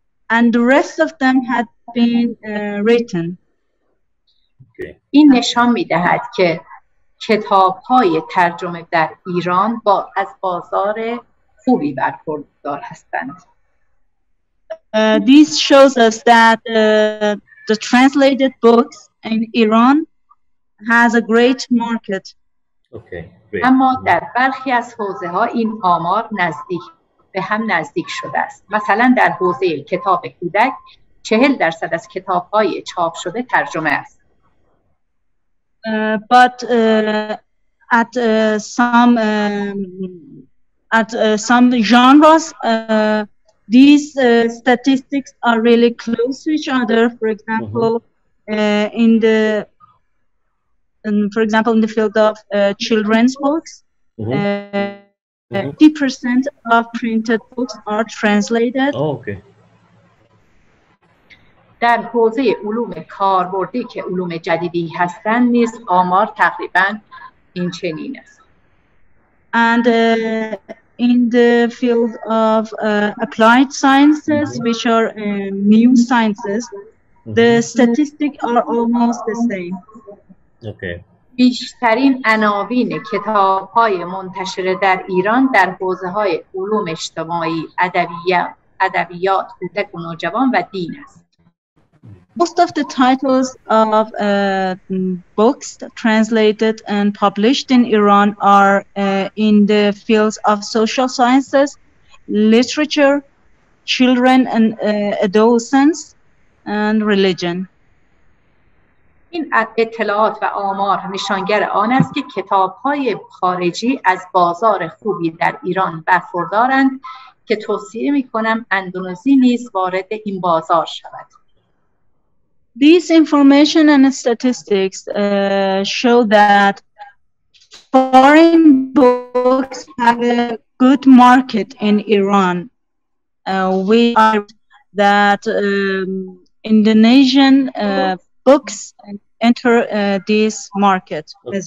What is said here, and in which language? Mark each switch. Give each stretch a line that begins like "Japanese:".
English: And the rest of them had been written. Okay.
Persian: این نشان می‌دهد که کتاب‌های ترجمه در ایران با از بازار خوبی برخوردار هستند.
English: This shows us that the translated books in Iran has a great market. Okay, great.
Persian: اما در برخی از حوزه‌ها این آمار نزدیک به هم نزدیک شده است. مثلا در حوزه کتاب کودک 40% از کتاب‌های چاپ شده ترجمه است.
English: But at some genres these statistics are really close to each other. For example, in the field of children's books, 50% of printed books are translated. Oh, okay.
Persian: در حوزه علوم کاربردی که علوم جدیدی هستند نیز آمار تقریباً این چنین است.
English: And in the field of applied sciences, which are new sciences, the statistics are almost the same. Okay.
Persian: بیشترین عناوین کتاب‌های منتشر در ایران در حوزه‌های علوم اجتماعی، ادبیات، کودک و نوجوان و دین است.
English: Most of the titles of books translated and published in Iran are in the fields of social sciences, literature, children and adolescents and religion.
Persian: این اطلاعات و آمار نشانگر آن است که کتاب‌های خارجی از بازار خوبی در ایران برخوردارند که توصیه می‌کنم اندونزی نیز وارد این بازار شود.
English: This information and statistics show that foreign books have a good market in Iran. We are that Indonesian books enter this market okay.